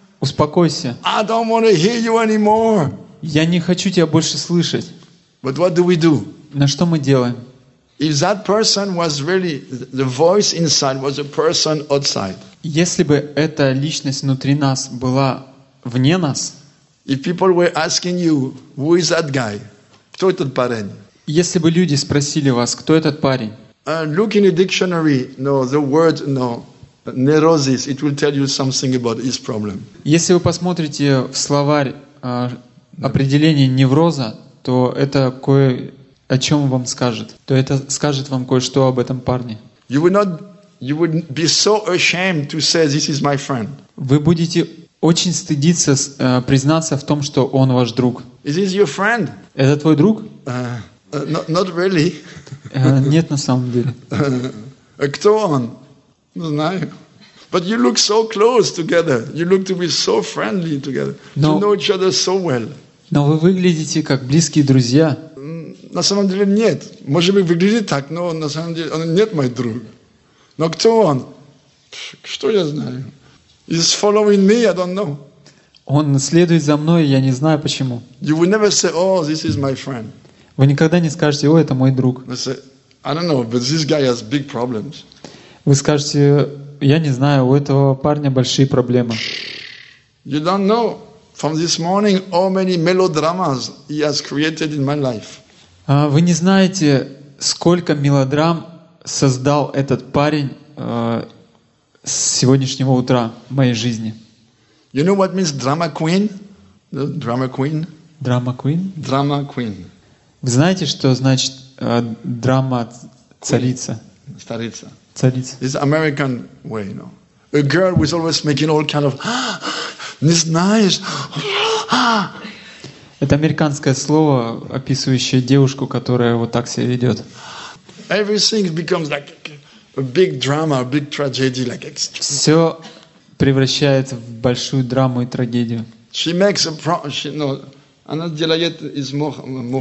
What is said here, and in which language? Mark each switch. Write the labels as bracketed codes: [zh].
[ru] Успокойся. [en] I don't want to hear you anymore. [ru] Я не хочу тебя больше слышать. [en] But what do we do? [ru] На что мы делаем? [en] If that person was really the voice inside was a person outside. [ru] Если бы эта личность внутри нас была вне нас. [en] If people were asking you, who is that guy? [ru] Кто этот парень? Если бы люди спросили вас, кто этот парень? [en] Look in a dictionary. No, the word no. Neurosis. It will tell you something about his problem. [ru] Если вы посмотрите в словарь определение невроза, то это кое о чем вам скажет. То это скажет вам кое-что об этом парне. [en] You would be so ashamed to say this is my friend. [ru] Вы будете очень стыдиться признаться в том, что он ваш друг. [en] Is this your friend? [ru] Это твой друг? [en] Not really. [ru] Нет, на самом деле. Кто он? Не знаю. [en] But you look so close together. You look to be so friendly together. You know each other so well. [ru] Но вы выглядите как близкие друзья. На самом деле нет. Может быть, выглядит так, но на самом деле он нет, мой друг. Но кто он? Что я знаю? [en] He's following me, I don't know. [ru] Он следует за мной, я не знаю почему. [en] You will never say, oh, this is my friend. [ru] Вы никогда не скажете, о, это мой друг. [en] I don't know, but this guy has big problems. [ru] Вы скажете, я не знаю, у этого парня большие проблемы. [en] You don't know. From this morning, how many melodramas he has created in my life? [ru] Вы не знаете, сколько мелодрам создал этот парень с сегодняшнего утра в моей жизни? [en] You know what means drama queen? Drama queen? Drama queen? Drama queen. [ru] Вы знаете, что значит драма царица? Старица. Царица. [en] It's American way, you know. A girl who is always making all kind of. [ru] Не знаешь. Это американское слово, описывающее девушку, которая вот так себя ведет. [en] Everything becomes like a big drama, a big tragedy, like. [ru] Все превращается в большую драму и трагедию. [en] She makes a [ru] она делает из мухи.